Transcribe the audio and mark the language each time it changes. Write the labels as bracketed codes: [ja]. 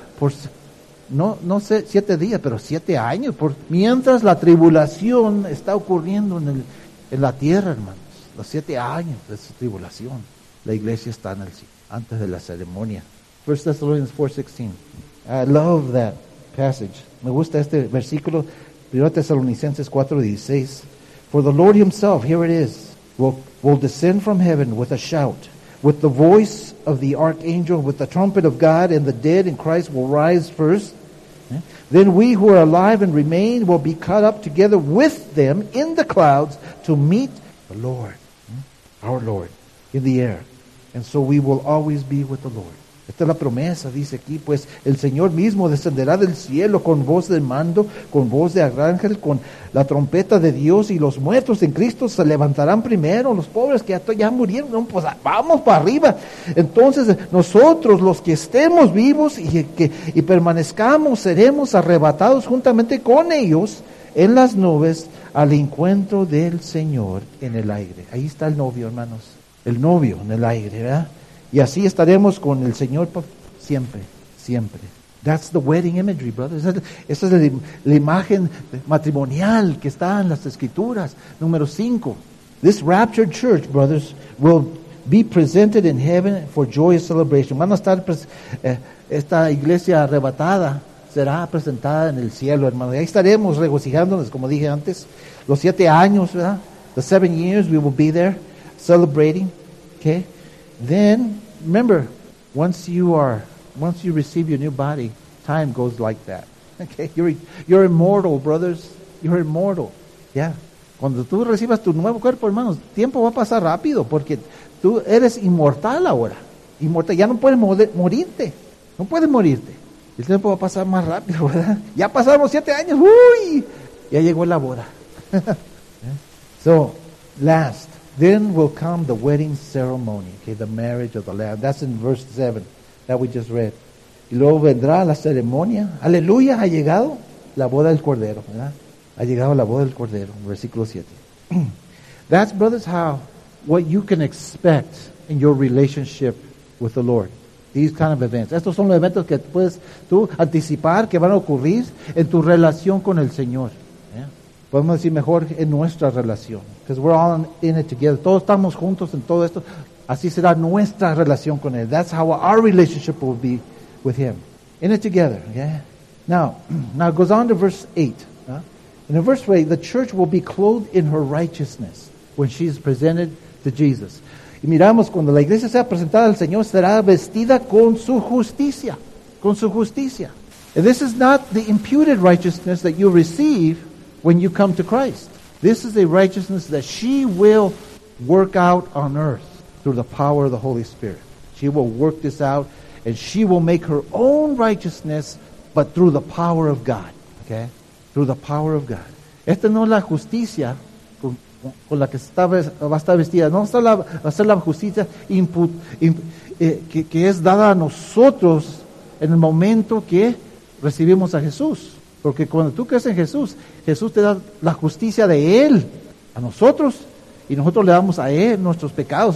[es] Por, no sé, 7 días, pero 7 años, por, mientras la tribulación está ocurriendo en la tierra, hermanos, los 7 años de su tribulación, la iglesia está en el cielo, antes de la ceremonia. [en] 1 Thessalonians 4:16. I love that. passage. [es] Me gusta este versículo, 1 Tesalonicenses 4:16. [en] For the Lord himself, here it is, will descend from heaven with a shout, with the voice of the archangel, with the trumpet of God, and the dead in Christ will rise first. Then we who are alive and remain will be caught up together with them in the clouds to meet the Lord, our Lord, in the air. And so we will always be with the Lord. [es] Esta es la promesa, dice aquí, pues el Señor mismo descenderá del cielo con voz de mando, con voz de arcángel, con la trompeta de Dios, y los muertos en Cristo se levantarán primero, los pobres que ya murieron, no, pues vamos para arriba. Entonces nosotros, los que estemos vivos y permanezcamos, seremos arrebatados juntamente con ellos en las nubes al encuentro del Señor en el aire. Ahí está el novio, hermanos, el novio en el aire, ¿verdad? Y así estaremos con el Señor siempre, siempre. [en] That's the wedding imagery, brothers. [es] Esa es la imagen matrimonial que está en las Escrituras. Número 5. [en] This raptured church, brothers, will be presented in heaven for joyous celebration. [es] Van a estar, esta iglesia arrebatada será presentada en el cielo, hermano. Y ahí estaremos regocijándonos, como dije antes. Los 7 años, ¿verdad? [en] The 7 years we will be there celebrating, okay? Then, remember, once you receive your new body, time goes like that. Okay, you're immortal, brothers. You're immortal. Yeah. [es] Cuando tú recibas tu nuevo cuerpo, hermanos, tiempo va a pasar rápido porque tú eres inmortal ahora. Inmortal. Ya no puedes morirte. No puedes morirte. El tiempo va a pasar más rápido, ¿verdad? Ya pasamos 7 años. ¡Uy! Ya llegó la boda. [en] So, last. Then will come the wedding ceremony, okay, the marriage of the Lamb. That's in verse 7 that we just read. [es] Y luego vendrá la ceremonia. Aleluya, ha llegado la boda del Cordero, ¿verdad? Ha llegado la boda del Cordero, versículo 7. [en] That's, brothers, how what you can expect in your relationship with the Lord. These kind of events. [es] Estos son los eventos que puedes tú anticipar que van a ocurrir en tu relación con el Señor. Podemos decir mejor en nuestra relación. [en] Because we're all in it together. [es] Todos estamos juntos en todo esto. Así será nuestra relación con Él. [en] That's how our relationship will be with Him. In it together. Okay? Now it goes on to verse 8. In verse 8, the church will be clothed in her righteousness when she is presented to Jesus. [es] Y miramos, cuando la iglesia sea presentada al Señor, será vestida con su justicia. Con su justicia. [en] And this is not the imputed righteousness that you receive when you come to Christ. This is a righteousness that she will work out on earth through the power of the Holy Spirit. She will work this out, and she will make her own righteousness, but through the power of God. Okay? Through the power of God. [es] Esta no es la justicia con la que va a estar vestida. No va a ser la justicia que es dada a nosotros en el momento que recibimos a Jesús. Porque cuando tú crees en Jesús, Jesús te da la justicia de Él a nosotros, y nosotros le damos a Él nuestros pecados.